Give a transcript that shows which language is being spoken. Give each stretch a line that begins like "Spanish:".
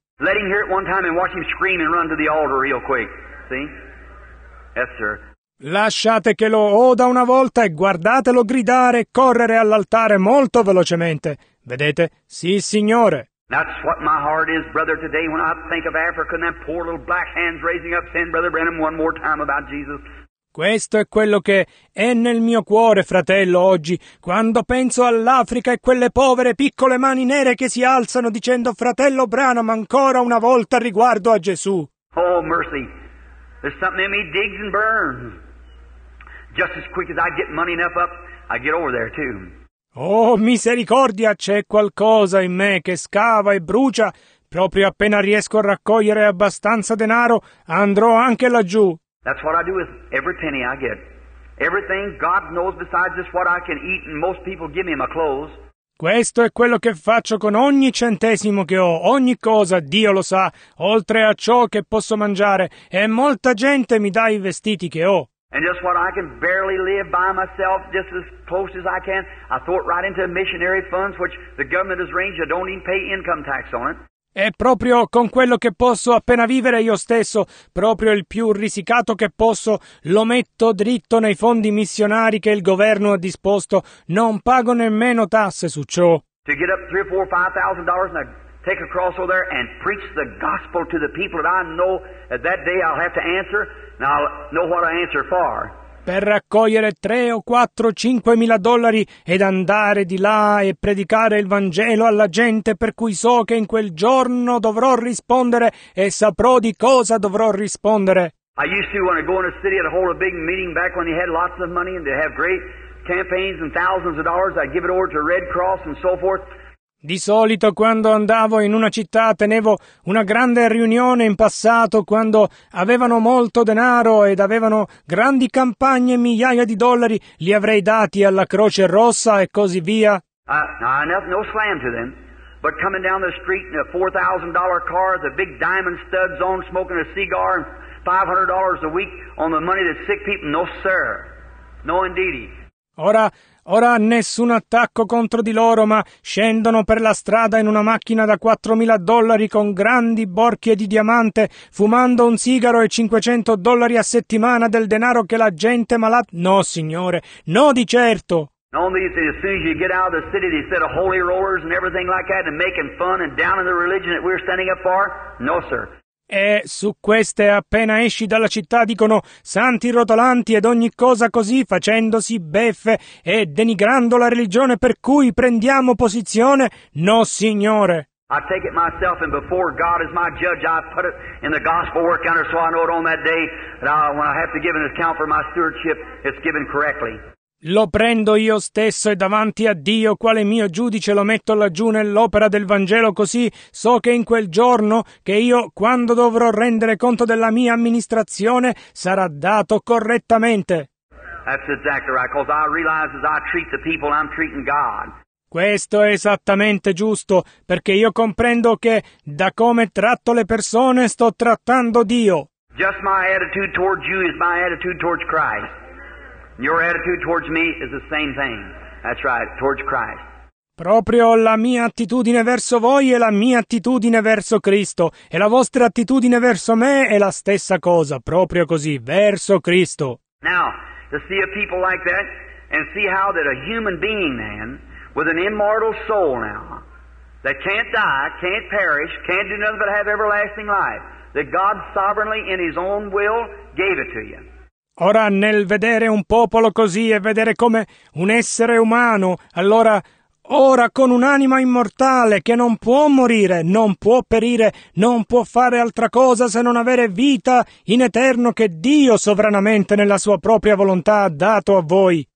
English: Let him hear it one time and watch him scream and run to the altar real quick. See? Yes, sir.
Italian: Lasciate che lo oda una volta e guardatelo gridare e correre all'altare molto velocemente. Vedete? Sì, signore.
English: That's what my heart is, brother, today when I think of Africa and that poor little black hands raising up saying, Brother Branham, one more time about Jesus.
Italian: Questo è quello che è nel mio cuore, fratello, oggi, quando penso all'Africa e quelle povere piccole mani nere che si alzano dicendo, fratello Branham, ancora una volta riguardo a Gesù.
English: Oh, mercy. There's something in me digs and burns. Just as quick as I get money enough up, I get over there too.
Italian: Oh, misericordia, c'è qualcosa in me che scava e brucia. Proprio appena riesco a raccogliere abbastanza denaro, andrò anche laggiù.
English: That's what I do with every penny I get. Everything God knows besides just what I can eat and most people give me my clothes.
Italian: Questo è quello che faccio con ogni centesimo che ho, ogni cosa, Dio lo sa, oltre a ciò che posso mangiare, e molta gente mi dà i vestiti che ho.
English: And just what I can barely live by myself, just as close as I can, I throw it right into missionary funds, which the government has arranged, I don't even pay income tax on it.
Italian: E proprio con quello che posso appena vivere io stesso, proprio il più risicato che posso, lo metto dritto nei fondi missionari che il governo ha disposto. Non pago nemmeno tasse su ciò.
English: to get up $3,000 or $5,000 and take a cross over there and preach the gospel to the people that I know at that day I'll have to answer, and I'll know what I answer for.
Italian: Per raccogliere $3,000 or $4,000 or $5,000 ed andare di là e predicare il Vangelo alla gente, per cui so che in quel giorno dovrò rispondere e saprò di cosa dovrò rispondere.
English: I used to, when I go in a city, I'd hold a big meeting back when they had lots of money and they have great campaigns and thousands of dollars, I'd give it over to Red Cross and so forth.
Italian: Di solito quando andavo in una città tenevo una grande riunione in passato quando avevano molto denaro ed avevano grandi campagne, migliaia di dollari, li avrei dati alla Croce Rossa e così via.
English: No slam to them, but coming down the street in a $4,000 car, the big diamond studs on, smoking a cigar, $500 a week on the money that sick people, no sir, no indeedy.
Italian: Ora nessun attacco contro di loro, ma scendono per la strada in una macchina da $4,000 con grandi borchie di diamante, fumando un sigaro e $500 a settimana del denaro che la gente malata... No, signore, no di certo!
English: As soon as you get out of the city, they set a holy rollers and everything like that and making fun and down in the religion that we're standing up for? No, sir.
Italian: E su queste, appena esci dalla città, dicono santi rotolanti ed ogni cosa così, facendosi beffe e denigrando la religione per cui prendiamo posizione? No, signore!
English: I take it myself, and before God is my judge, I put it in the gospel work counter so I know it on that day, that when I have to give an account for my stewardship, it's given correctly.
Italian: Lo prendo io stesso e davanti a Dio, quale mio giudice, lo metto laggiù nell'opera del Vangelo, così so che in quel giorno, che io, quando dovrò rendere conto della mia amministrazione, sarà dato correttamente.
English: That's exactly right, 'cause I realize as I treat the people, I'm treating God.
Italian: Questo è esattamente giusto, perché io comprendo che da come tratto le persone sto trattando Dio.
English: Just my attitude towards you is my attitude towards Christ. Your attitude towards me is the same thing. That's right, towards Christ.
Italian: Proprio la mia attitudine verso voi è la mia attitudine verso Cristo, e la vostra attitudine verso me è la stessa cosa, proprio così, verso Cristo.
English: Now, to see a people like that, and see how that a human being then, with an immortal soul now, that can't die, can't perish, can't do nothing but have everlasting life, that God sovereignly, in His own will, gave it to you.
Italian: Ora, nel vedere un popolo così e vedere come un essere umano, allora, ora con un'anima immortale che non può morire, non può perire, non può fare altra cosa se non avere vita in eterno che Dio sovranamente nella sua propria volontà ha dato a voi.